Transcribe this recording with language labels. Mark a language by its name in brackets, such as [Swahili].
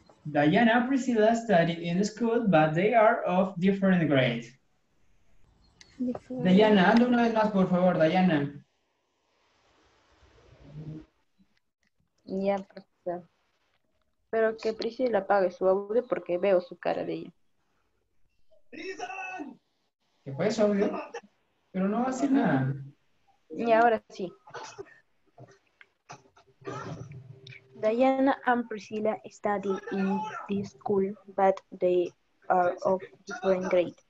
[English] Dayana and Priscila study in the school, but they are of different grade. [Spanish] Dayana, hazlo una vez más, por favor, Dayana. Ya, profesor. Pero que Priscila apague su audio porque veo su cara de ella. ¡Priscila! Que apague su audio, pero no va a hacer nada. Y ahora sí. [English] Dayana and Priscila study in this school, but they are of different grade.